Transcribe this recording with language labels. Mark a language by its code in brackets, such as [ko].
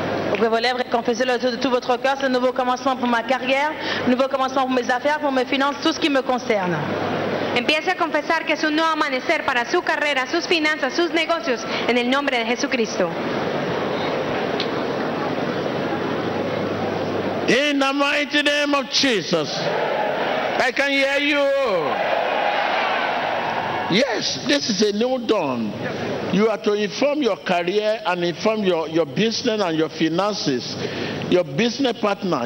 [fr] Ouvrez vos lèvres et confessez-le de tout votre cœur. C'est un nouveau commencement pour ma carrière, un nouveau commencement pour mes affaires, pour mes finances, tout ce qui me concerne. [es] Empiece a confesar que es un nuevo amanecer para su carrera, sus finanzas, sus negocios, en el nombre de Jesucristo. [en] In the mighty name of Jesus, I can hear you. Yes, this is a new dawn. You are to inform your career and inform your business and your finances, your business partner.